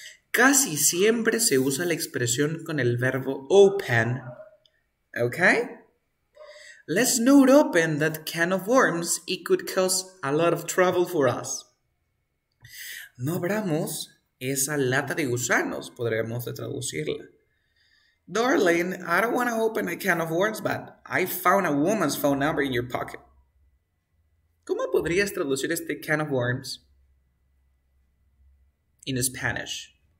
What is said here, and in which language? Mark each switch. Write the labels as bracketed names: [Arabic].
[Spanish] Casi siempre se usa la expresión con el verbo open. [English] Okay? Let's not open that can of worms. It could cause a lot of trouble for us. [Spanish] No abramos esa lata de gusanos, podríamos traducirla. [English] Darling, I don't want to open a can of worms, but I found a woman's phone number in your pocket. [Spanish] ¿Cómo podrías traducir este [English] can of worms in Spanish?